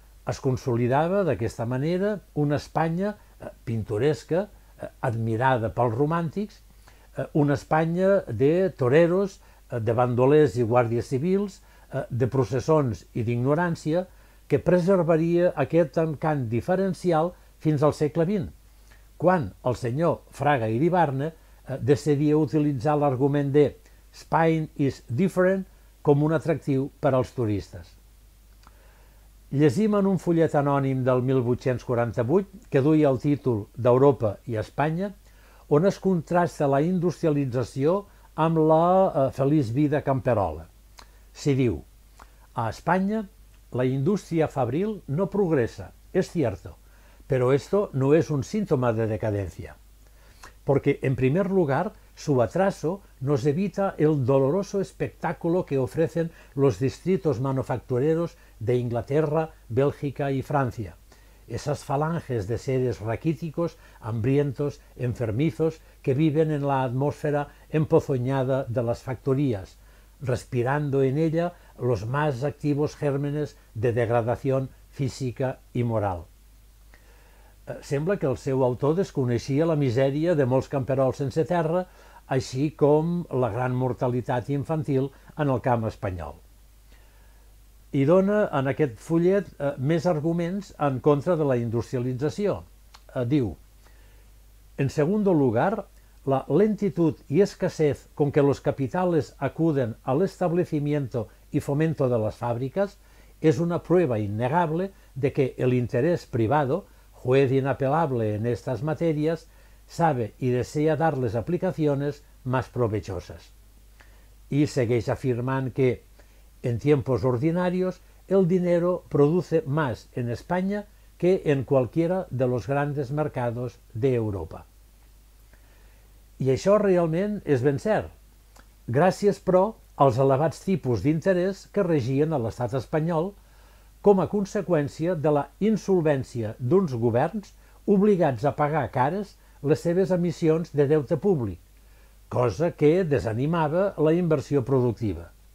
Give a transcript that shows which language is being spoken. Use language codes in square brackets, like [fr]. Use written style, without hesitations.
[ca] Es consolidava d'aquesta manera una Espanya pintoresca, admirada pels romàntics, una Espanya de toreros, de bandolers i guàrdies civils, de processons i d'ignorància, que preservaria aquest encant diferencial fins al segle XX, quan el senyor Fraga Iribarne decidia utilitzar l'argument de [en] «Spain is different» [ca] com un atractiu per als turistes. Llegim en un fullet anònim del 1848 que duia el títol d'Europa i Espanya, on es contrasta la industrialització amb la feliç vida camperola. S'hi diu: «A Espanya la indústria fabril no progressa, [es] es cierto, pero esto no es un síntoma de decadencia, porque en primer lugar su atraso nos evita el doloroso espectáculo que ofrecen los distritos manufactureros de Inglaterra, Bélgica y Francia, esas falanges de seres raquíticos, hambrientos, enfermizos, que viven en la atmósfera empozoñada de las factorías, respirando en ella los más activos gérmenes de degradación física y moral». [ca] Sembla que el seu autor desconeixia la misèria de molts camperols sense terra, així com la gran mortalitat infantil en el camp espanyol. I dona en aquest fullet més arguments en contra de la industrialització. [es] Diu: «En segundo lugar, la lentitud y escasez con que los capitales acuden al establecimiento y fomento de las fábricas es una prueba innegable de que el interés privado, juez inapelable en estas materias, sabe y desea darles aplicaciones más provechosas». [ca] y segueix afirmant que [es] en tiempos ordinarios el dinero produce más en España que en cualquiera de los grandes mercados de Europa. [ca] I això realment és ben cert, gràcies però als elevats tipus d'interès que regien a l'estat espanyol com a conseqüència de la insolvència d'uns governs obligats a pagar cares les seves emissions de deute públic, cosa que desanimava la inversió productiva.